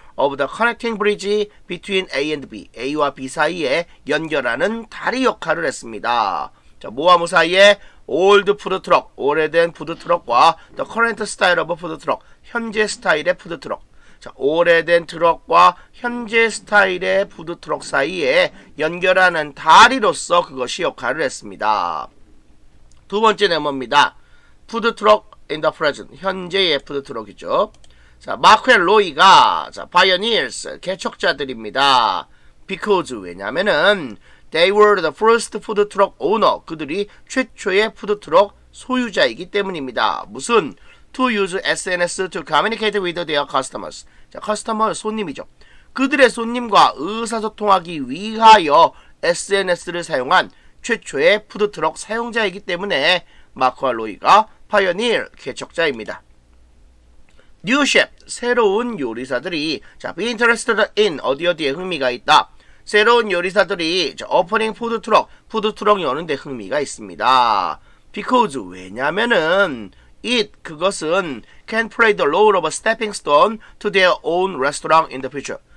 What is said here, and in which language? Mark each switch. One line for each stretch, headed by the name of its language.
English: Of the connecting bridge between A and B.
Korean: A와 B 사이에 연결하는 다리 역할을 했습니다. 자, 뭐와 뭐 사이에
English: old food truck,
Korean: 오래된
English: food truck과 the current style of food truck,
Korean: 현재 스타일의
English: food truck.
Korean: 자, 오래된 트럭과 현재 스타일의 food truck 사이에 연결하는 다리로서 그것이 역할을 했습니다. 두 번째 네모입니다.
English: Food truck in the present.
Korean: 현재의 food truck이죠. 자, 마크웰 로이가, 자, pioneers, 개척자들입니다.
English: Because,
Korean: 왜냐면은,
English: they were the first food truck owner.
Korean: 그들이 최초의 food truck 소유자이기 때문입니다. 무슨?
English: To use SNS to communicate with their customers. 자, customer,
Korean: 손님이죠. 그들의 손님과 의사소통하기 위하여 SNS를 사용한 최초의 푸드트럭 사용자이기 때문에 마크와 로이가 파이어니어 개척자입니다. 뉴셰프, 새로운 요리사들이 자,
English: be interested in
Korean: 어디어디에 흥미가 있다. 새로운 요리사들이 자, 오프닝 푸드트럭, 푸드트럭 여는데 흥미가 있습니다.
English: Because,
Korean: 왜냐면은
English: it,
Korean: 그것은
English: can play the role of a stepping stone to their own restaurant in the future.